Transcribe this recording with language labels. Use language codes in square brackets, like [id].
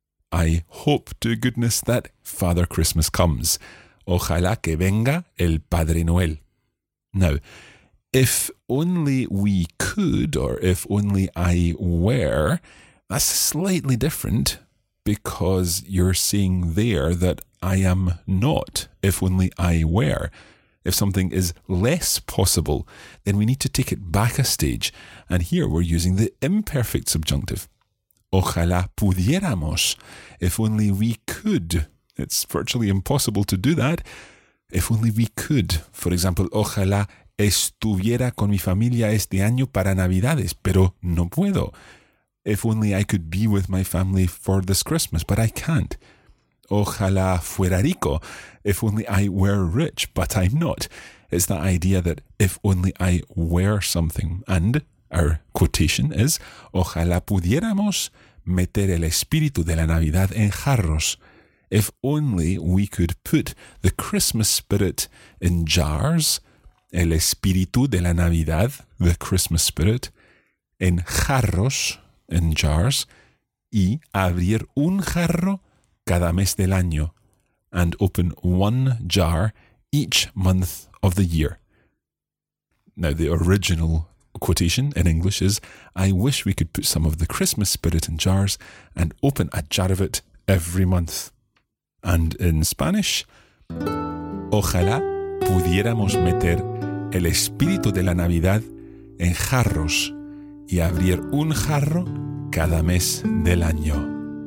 [en] I hope to goodness that Father Christmas comes. [es] Ojalá que venga el Padre Noel. [en] Now, if only we could, or if only I were, that's slightly different, because you're saying there that I am not, if only I were. If something is less possible, then we need to take it back a stage. And here we're using the imperfect subjunctive. [es] Ojalá pudiéramos. [en] If only we could. It's virtually impossible to do that. If only we could. For example, [es] ojalá estuviera con mi familia este año para Navidades, pero no puedo. [en] If only I could be with my family for this Christmas, but I can't. [es] Ojalá fuera rico. [en] If only I were rich, but I'm not. It's the idea that if only I were something. And our quotation is, [es] ojalá pudiéramos meter el espíritu de la Navidad en jarros. [en] If only we could put the Christmas spirit in jars, [es] el espíritu de la Navidad, [en] the Christmas spirit, [es] en jarros, [en] in jars, [es] y abrir un jarro cada mes del año, [en] and open one jar each month of the year. Now, the original quotation in English is, I wish we could put some of the Christmas spirit in jars and open a jar of it every month. And in Spanish, [es] ojalá pudiéramos meter el espíritu de la Navidad en jarros y abrir un jarro cada mes del año.